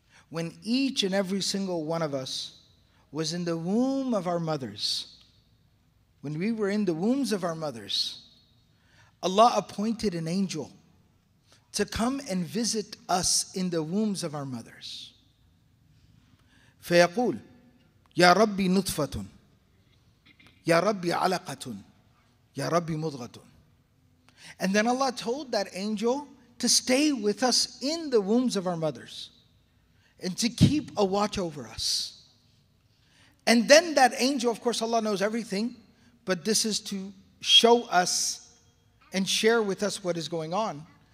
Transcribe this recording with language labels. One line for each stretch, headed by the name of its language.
English: When each and every single one of us was in the womb of our mothers, when we were in the wombs of our mothers, Allah appointed an angel to come and visit us in the wombs of our mothers.
Arabic: فيقول يا ربي نطفة يا ربي علقة يا ربي مضغة.
English: And then Allah told that angel to stay with us in the wombs of our mothers and to keep a watch over us. And then that angel, of course Allah knows everything, but this is to show us and share with us what is going on.